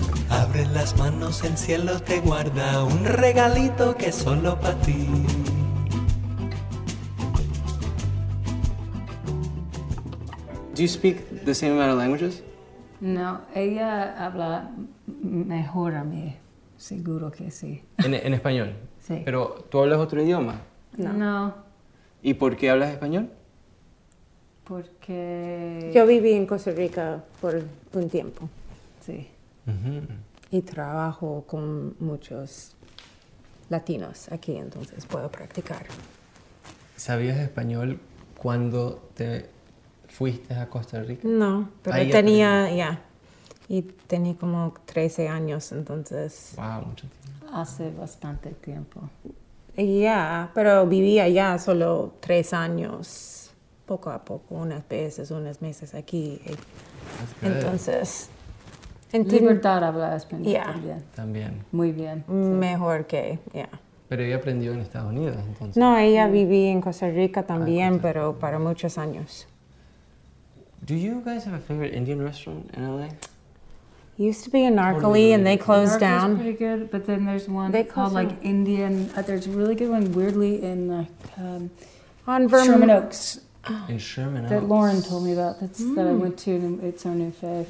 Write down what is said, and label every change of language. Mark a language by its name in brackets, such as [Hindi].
[Spanish] Abre las manos, el cielo te guarda. Un regalito que es solo para ti. [English] Do you speak the same amount of languages? [Spanish] No, ella habla mejor a mí, seguro que sí. ¿En español? Sí. ¿Pero tú hablas otro idioma? No. ¿Y por qué hablas español? Porque... Yo viví en Costa Rica por un tiempo. Sí. Uh-huh. Y trabajo con muchos latinos aquí, entonces puedo practicar. ¿Sabías español cuando te fuiste a Costa Rica? No, pero ahí tenía, ya. Y tenía como 13 años, entonces... Wow, mucho tiempo. Hace bastante tiempo. Yeah, pero vivía ya solo 3 años, poco a poco, unas veces, unos meses aquí. Entonces... Libertad habla español también. También. Muy bien. Mejor que, Pero ella aprendió en Estados Unidos, entonces. No, ella vivía en Costa Rica también, pero para muchos años. [English] Do you guys have a favorite Indian restaurant in L.A.? Used to be in Narcoli, and they closed down. Narcoli's pretty good, but then there's one they called like down. Indian. There's a really good one, weirdly, in Sherman Oaks. In Sherman Oaks. That Lauren told me about. That's that I went to. And it's our new fave.